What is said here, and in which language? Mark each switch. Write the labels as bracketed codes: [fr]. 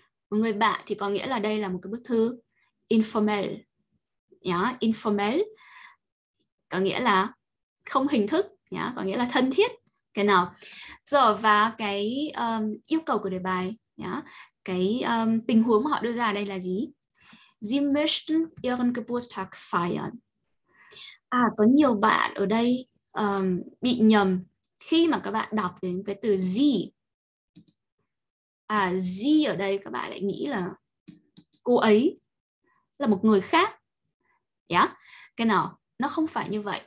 [vi] Một người bạn thì có nghĩa là đây là một cái bức thư informal. Nhá, yeah, informal có nghĩa là không hình thức, nhá, yeah, có nghĩa là thân thiết. Cái nào? Rồi, và cái yêu cầu của đề bài, nhá, yeah, cái tình huống mà họ đưa ra đây là gì? [de] Sie möchten Ihren Geburtstag feiern. [vi] À, có nhiều bạn ở đây bị nhầm khi mà các bạn đọc đến cái từ Sie. À, Sie ở đây các bạn lại nghĩ là cô ấy, là một người khác. Yeah. Cái nào? Nó không phải như vậy.